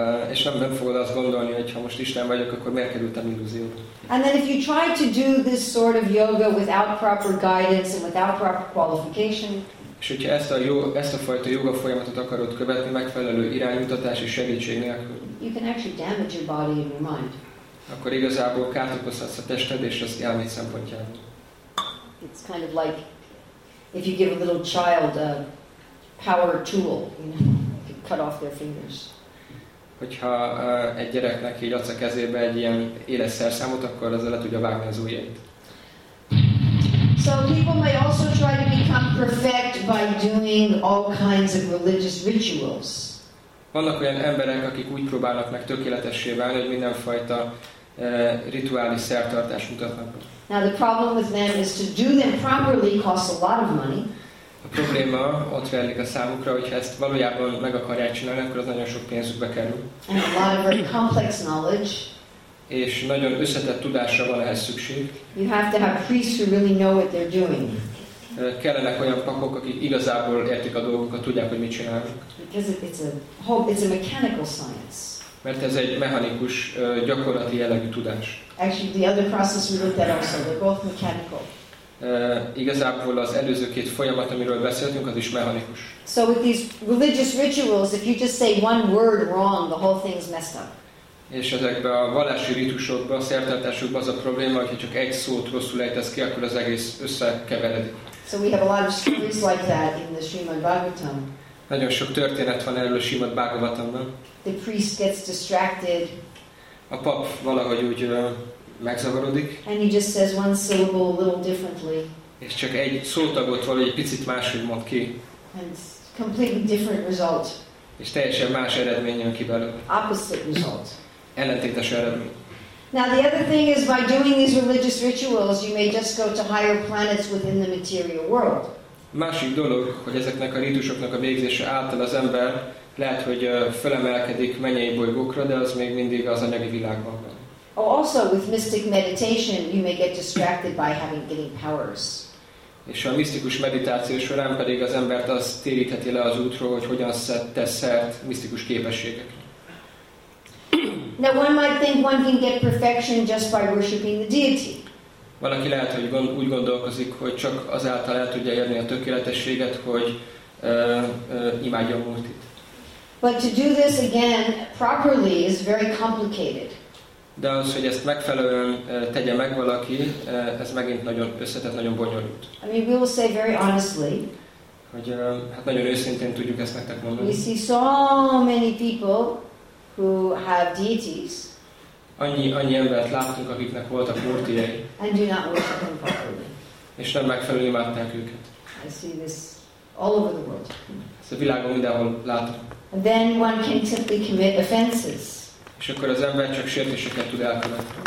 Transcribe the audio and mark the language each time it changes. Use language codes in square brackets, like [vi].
[hu] És nem fogod azt gondolni, hogy ha most Isten vagyok, akkor miért kerültem illúzióba? [en] And then if you try to do this sort of yoga without proper guidance and without proper qualification, [hu] és hogyha ezt a fajta joga folyamatot akarod követni megfelelő iránymutatás és segítség nélkül, [en] you can actually damage your body and your mind. [hu] Akkor igazából kárt okozhatsz a tested és az elméd szempontjából. [en] It's kind of like if you give a little child a power tool, you know, you cut off their fingers. [hu] Hogyha egy gyereknek így adsz a kezébe egy ilyen éles szerszámot, akkor azzal le tudja vágni az ujjait. [en] So people may also try to become perfect by doing all kinds of religious rituals. [hu] Vannak olyan emberek, akik úgy próbálnak meg tökéletessé válni, hogy mindenfajta rituális szertartást mutatnak. [en] Now the problem with them is to do them properly costs a lot of money. [hu] A probléma ott rejlik a számukra, hogy ezt valójában meg akarják csinálni, akkor az nagyon sok pénzükbe kerül. [en] And a lot of very complex knowledge. [hu] És nagyon összetett tudásra van ehhez szükség. [en] You have to have priests who really know what they're doing. [hu] Kellenek olyan papok, akik igazából értik a dolgokat, tudják, hogy mit csinálnak. [en] It's a mechanical science. [hu] Mert ez egy mechanikus, gyakorlati jellegű tudás. [en] Actually, the other process we looked at also, they're both mechanical. [hu] Igazából az előző két folyamat, amiről beszéltünk, az is mechanikus. [en] So with these religious rituals, if you just say one word wrong, the whole thing's messed up. [hu] És ezekben a vallási ritusokban, a szertartásokban az a probléma, hogyha csak egy szót rosszul ejtesz ki, akkor az egész összekeveredik. [en] So we have a lot of stories like that in the Srimad Bhagavatam. [hu] Nagyon sok történet van erről a Srimad Bhagavatamban. [en] The priest gets distracted. [hu] A pap valahogy úgy megzavarodik. [en] And he just says one syllable a little differently. [hu] És csak egy szótagot valahogy picit máshogy mond ki. [en] And completely different result. [hu] És teljesen más eredmény jön ki belőle. [en] Opposite result. [hu] Ellentétes eredmény. [en] Now the other thing is by doing these religious rituals you may just go to higher planets within the material world. [hu] Másik dolog, hogy ezeknek a rítusoknak a végzése által az ember lehet, hogy felemelkedik mennyei bolygókra, de az még mindig az anyagi világban van. [en] Oh, also with mystic meditation you may get distracted by getting powers. [hu] És a misztikus meditáció során pedig az embert az térítheti le az útról, hogy hogyan tesz szert misztikus képességekre. [en] Now one might think one can get perfection just by worshiping the deity. [hu] Valaki lehet, hogy úgy gondolkozik, hogy csak azáltal el tudja érni a tökéletességet, hogy imádja a Murtit. [en] But to do this again properly is very complicated. [hu] De az, hogy ezt megfelelően tegye meg valaki, ez megint nagyon összetett, nagyon bonyolult. [en] I mean, we will say very honestly. [hu] Hogy hát nagyon őszintén tudjuk ezt nektek mondani. [en] We see so many people who have deities. [hu] Annyi embert láttunk, akiknek voltak murtijai. [en] And do not worship them properly. [hu] És nem megfelelő imádták őket. [en] I see this all over the world. [hu] Ezt a világon mindenhol látom. [en] And then one can simply commit offenses. [hu] És akkor az ember csak sértéseket tud elkövetni.